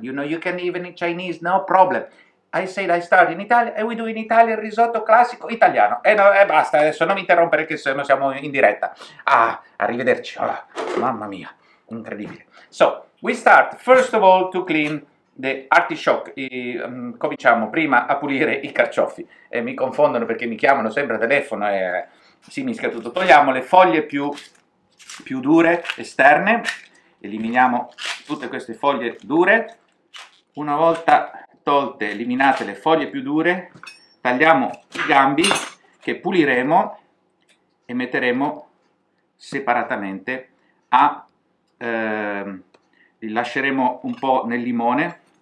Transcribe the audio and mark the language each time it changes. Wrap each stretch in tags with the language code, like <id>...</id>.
<en>You know, you can even in Chinese, no problem. I said, I start in Italy and we do in Italy</en> <it>il risotto classico italiano. E no, e basta, adesso non mi interrompere che siamo in diretta. Ah, arrivederci. Oh, mamma mia, incredibile.</it> <en>So, we start, first of all, to clean the artichoke.</en> <it>Cominciamo prima a pulire i carciofi. Mi confondono perché mi chiamano sempre a telefono e si mischia tutto. Togliamo le foglie più dure esterne, eliminiamo tutte queste foglie dure. Una volta tolte, eliminate le foglie più dure, tagliamo i gambi che puliremo e metteremo separatamente li lasceremo un po' nel limone</it>